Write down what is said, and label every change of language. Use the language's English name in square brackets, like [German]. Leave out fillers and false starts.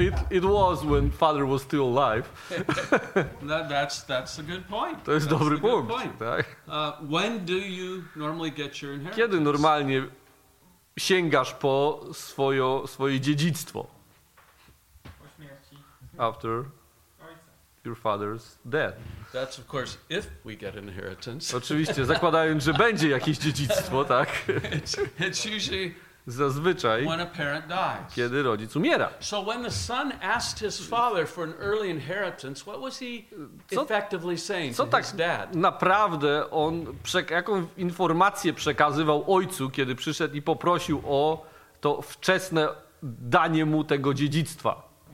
[English] It was when father was still alive. that's a good point. [Polish] To jest [English] that's [Polish] dobry punkt. Tak? [English] When do you normally get your inheritance? [Polish] Kiedy normalnie sięgasz po swoje dziedzictwo? Po śmierci. [English] After your father's death. That's of course if we get an inheritance. [Polish] Oczywiście, zakładając, że będzie jakieś dziedzictwo, tak? [English] It's usually [Polish] zazwyczaj, [English] when a parent dies. [Polish] Kiedy rodzic umiera. [English] So when the son asked his father for an early inheritance, what was he effectively saying to his dad? [Polish] Naprawdę on jaką informację przekazywał ojcu, kiedy przyszedł i poprosił o to wczesne danie mu tego dziedzictwa?